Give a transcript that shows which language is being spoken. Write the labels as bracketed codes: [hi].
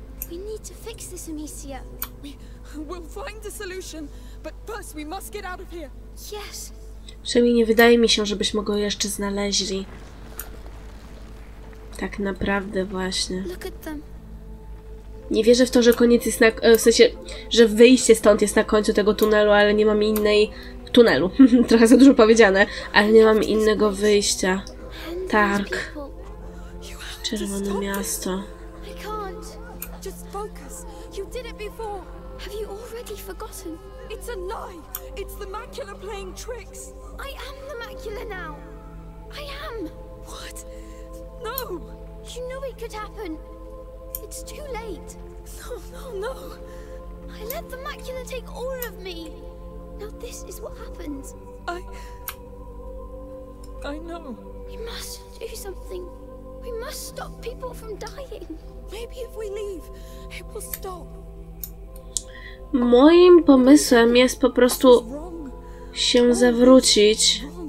[en] We need to fix this, Amicia. We'll find a solution, but first we must get out of here. Yes. [pl] Przynajmniej nie wydaje mi się, żebyśmy go jeszcze znaleźli. Tak naprawdę właśnie. [en] Look at them. [pl] Nie wierzę w to, że koniec jest na... w sensie, że wyjście stąd jest na końcu tego tunelu, ale nie mam innej... tunelu. Trochę za dużo powiedziane. Ale nie mam innego wyjścia. Tak. Czerwone miasto. [en] I can't. Just focus. You did it before. Have you already forgotten? It's a lie. It's the Macula playing tricks. I am the Macula now. I am. What? No. You knew it could happen. It's too late. No. I let the Macula take all of me. Now this is what happens. I know. We must do something. We must stop people from dying. Maybe if we leave, it will stop. [pl] Moim pomysłem jest po prostu się zawrócić.